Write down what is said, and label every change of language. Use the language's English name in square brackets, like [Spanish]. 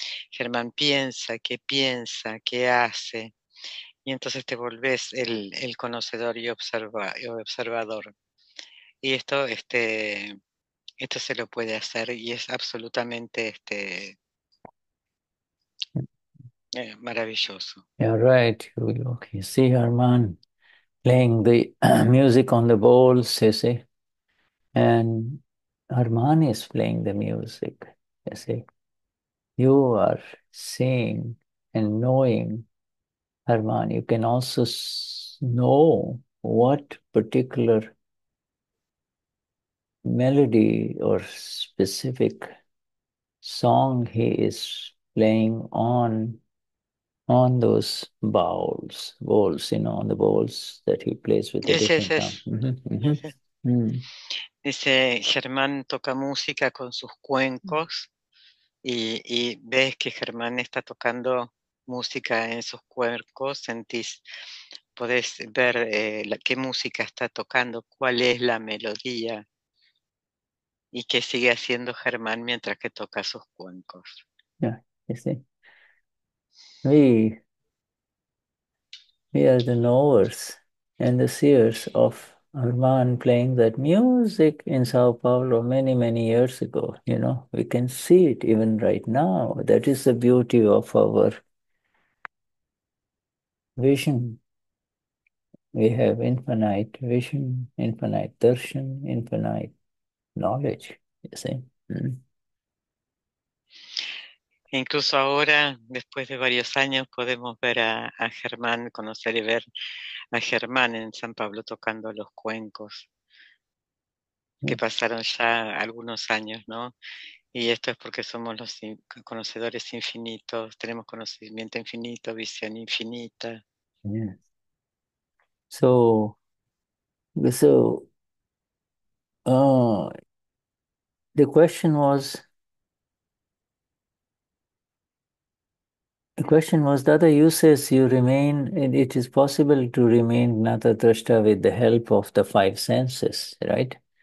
[Spanish] Germán piensa, qué hace. Y entonces te volvés el conocedor y observador. Y esto, esto se lo puede hacer y es absolutamente maravilloso. [English] Yeah, right. You see Arman playing the music on the bowls, you see? And Arman is playing the music, you see? You are seeing and knowing Arman. You can also know what particular melody or specific song he is playing on those bowls, you know, on the bowls that he plays with the different time. [Spanish] Dice, Germán toca música con sus cuencos y ves que Germán está tocando música en sus cuencos, sentís, podés ver qué música está tocando, cuál es la melodía y qué sigue haciendo Germán mientras que toca sus cuencos. [English] Yeah, you see. We are the knowers and the seers of Arman playing that music in Sao Paulo many, many years ago. You know, we can see it even right now. That is the beauty of our vision. We have infinite vision, infinite darshan, infinite knowledge, you see. [Spanish] Incluso ahora, después de varios años, podemos ver a Germán, conocer y ver a Germán en San Pablo tocando los cuencos, que pasaron ya algunos años, ¿no? Y esto es porque somos los conocedores infinitos, tenemos conocimiento infinito, visión infinita. [English] Yes. So, the question was, Dada, you says you remain, and it is possible to remain Gnata-Drashta with the help of the five senses, right?